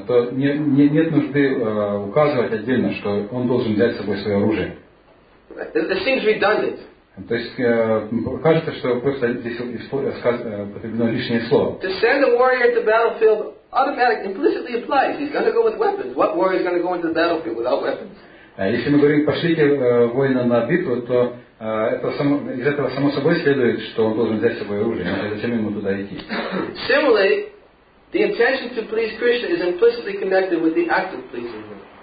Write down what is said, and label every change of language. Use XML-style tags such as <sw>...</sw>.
<ru>То нет нужды указывать отдельно, что он должен взять с собой свое оружие.</ru> <en>It seems redundant.</en> <ru>То есть кажется, что просто здесь потреблено лишнее слово.</ru> <en>To send a warrior to battlefield automatically implicitly implies he's going to go with weapons. What warrior is going to go into the battlefield without weapons?</en> <ru>Если мы говорим пошлите воина на битву, то из этого само собой следует, что он должен взять с собой оружие. Зачем ему туда идти?</ru> <en>Similarly, the intention to please Krishna is implicitly connected with the act of pleasing him.</en>